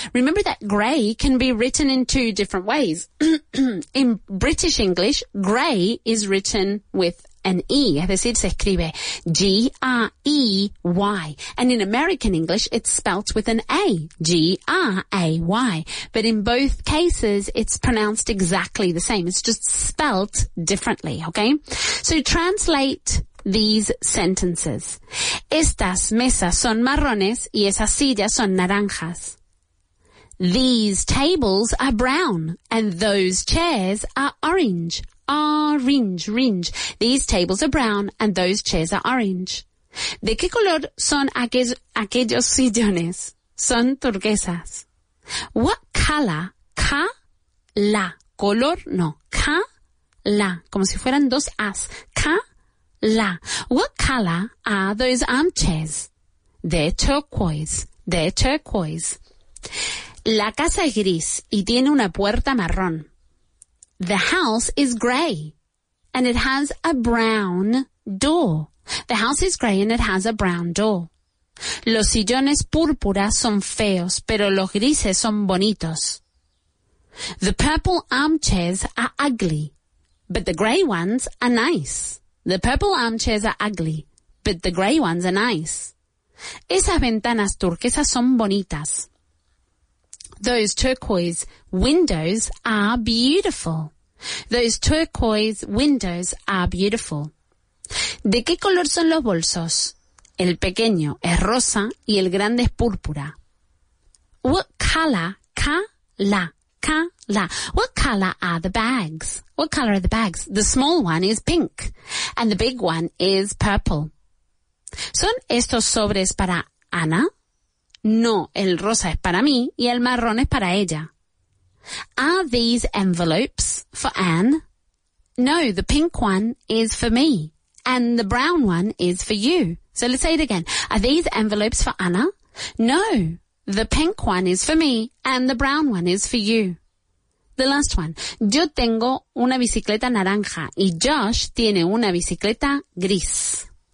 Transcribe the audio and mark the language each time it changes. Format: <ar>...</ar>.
<en>Remember that grey can be written in two different ways. In British English, grey is written with an E.</en> <es>Es decir, se escribe G-R-E-Y.</es> <en>And in American English, it's spelt with an A. G-R-A-Y. But in both cases, it's pronounced exactly the same. It's just spelt differently, okay? So translate these sentences.</en> <es>Estas mesas son marrones y esas sillas son naranjas.</es> <en>These tables are brown and those chairs are orange. Orange, orange. These tables are brown and those chairs are orange.</en> <es>¿De qué color son aquellos sillones? Son turquesas.</es> <en>What color?</en> <es>Ka, la. Color, no. Ka, la. Como si fueran dos as. Ka, la.</es> <en>What color are those armchairs? They're turquoise. They're turquoise.</en> <es>La casa es gris y tiene una puerta marrón.</es> <en>The house is gray and it has a brown door. The house is gray and it has a brown door.</en> <es>Los sillones púrpuras son feos, pero los grises son bonitos.</es> <en>The purple armchairs are ugly, but the gray ones are nice. The purple armchairs are ugly, but the gray ones are nice.</en> <es>Esas ventanas turquesas son bonitas.</es> <en>Those turquoise windows are beautiful. Those turquoise windows are beautiful.</en> <es>¿De qué color son los bolsos? El pequeño es rosa y el grande es púrpura.</es> <en>What color? Ka-la. Ka-la. What color are the bags? What color are the bags? The small one is pink and the big one is purple.</en> <es>¿Son estos sobres para Ana? No, el rosa es para mí y el marrón es para ella.</es> <en>Are these envelopes for Anne? No, the pink one is for me and the brown one is for you. So let's say it again. Are these envelopes for Anna? No, the pink one is for me and the brown one is for you. The last one.</en> <es>Yo tengo una bicicleta naranja y Josh tiene una bicicleta gris.</es>